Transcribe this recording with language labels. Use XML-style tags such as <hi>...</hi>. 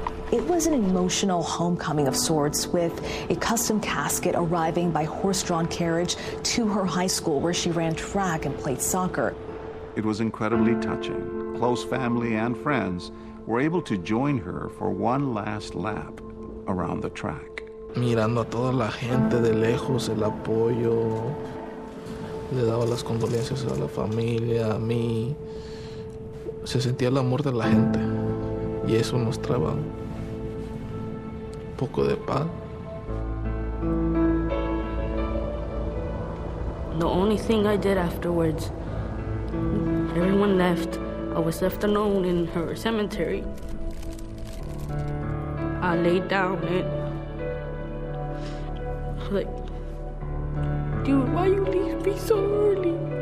<en>It was an emotional homecoming of sorts, with a custom casket arriving by horse-drawn carriage to her high school, where she ran track and played soccer. It was incredibly touching. Close family and friends were able to join her for one last lap around the track.</en> <es>Mirando a toda la gente de lejos, el apoyo, le daba las condolencias a la familia, a mí. Se sentía el amor de la gente, y eso nos traba un poco de paz.</es> <en>The only thing I did afterwards, everyone left. I was left alone in her cemetery. I laid down it. Like, dude, why you leave me so early?</en>